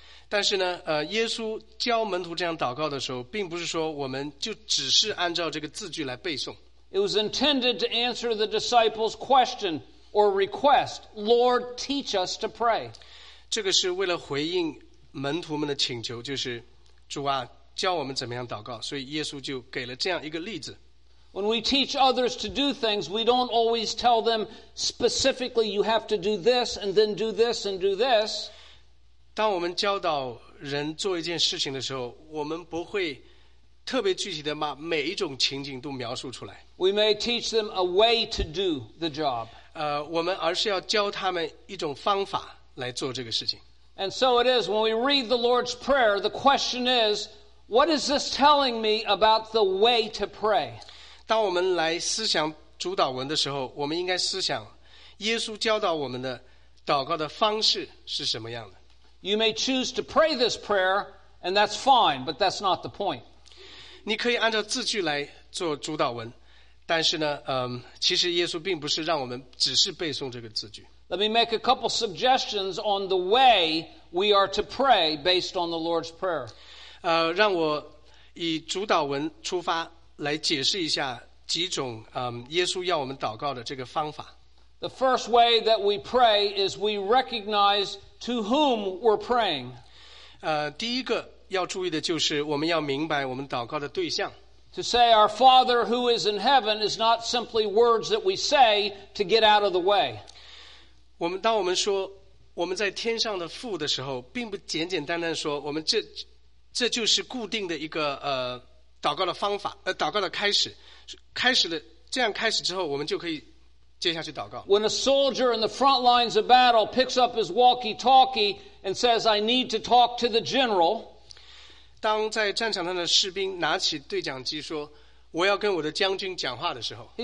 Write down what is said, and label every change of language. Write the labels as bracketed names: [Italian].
[Chinese] 但是呢，耶稣教门徒这样祷告的时候，并不是说我们就只是按照这个字句来背诵。 [English] It was intended to answer the disciples' question or request, "Lord, teach us to pray." [Chinese] 这个是为了回应门徒们的请求，就是主啊，教我们怎么样祷告。所以耶稣就给了这样一个例子。 [English] When we teach others to do things, we don't always tell them specifically, "You have to do this, and then do this, and do this." [Chinese] 当我们教导人做一件事情的时候，我们不会特别具体的把每一种情景都描述出来。 [English] We may teach them a way to do the job. [Chinese] 我们而是要教他们一种方法来做这个事情。 [English] And so it is, when we read the Lord's Prayer, the question is, what is this telling me about the way to pray? [Chinese] 当我们来思想主祷文的时候，我们应该思想耶稣教导我们的祷告的方式是什么样的。 [English] You may choose to pray this prayer, and that's fine, but that's not the point. [Chinese] 你可以按照字句来做主祷文，但是呢，其实耶稣并不是让我们只是背诵这个字句。 [English] Let me make a couple suggestions on the way we are to pray based on the Lord's Prayer. [Chinese] 让我以主祷文出发来解释一下几种耶稣要我们祷告的这个方法。 [English] The first way that we pray is we recognize to whom we're praying. [Chinese] 第一个要注意的就是我们要明白我们祷告的对象。 [English] To say our Father who is in heaven is not simply words that we say to get out of the way. [Chinese] 我们当我们说我们在天上的父的时候，并不简简单单说我们这就是固定的一个祷告的方法，祷告的开始，开始的这样开始之后，我们就可以。接下去祷告。 [English] When a soldier in the front lines of battle picks up his walkie-talkie and says, "I need to talk to the general." [Chinese] 当在战场上的士兵拿起对讲机说，我要跟我的将军讲话的时候。